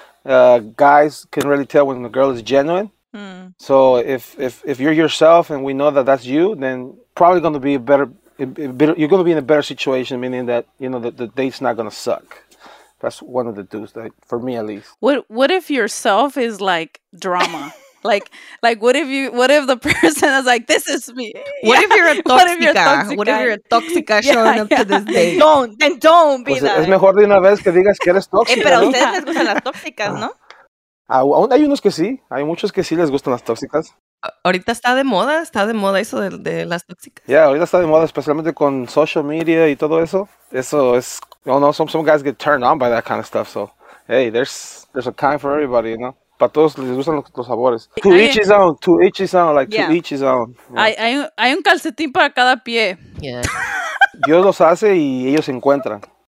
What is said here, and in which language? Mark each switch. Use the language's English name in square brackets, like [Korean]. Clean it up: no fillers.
[English] Guys can really tell when the girl is genuine. So if you're yourself and we know that that's you, then probably going to be you're going to be in a better situation, meaning that, you know, the date's not going to suck. That's one of the do's, that, for me at least. What if yourself is like drama? What if the person is like, this is me? What if you're a tóxica showing up to this day? Don't be that. [Spanish] Es mejor de una vez que digas que eres tóxica. Pero a ustedes les gustan las tóxicas, ¿no? Hay unos que sí. Hay muchos que sí les gustan las tóxicas. Ahorita está de moda. Está de moda eso de las tóxicas. Yeah, ahorita está de moda, especialmente con social media y todo eso. Eso es, [English] you know, some guys get turned on by that kind of stuff. So, hey, there's a time for everybody, you know? [Spanish] Para todos les gustan los sabores. [English] To each his own. [Spanish] Hay un calcetín para cada pie. Yeah. Dios los hace y ellos se encuentran.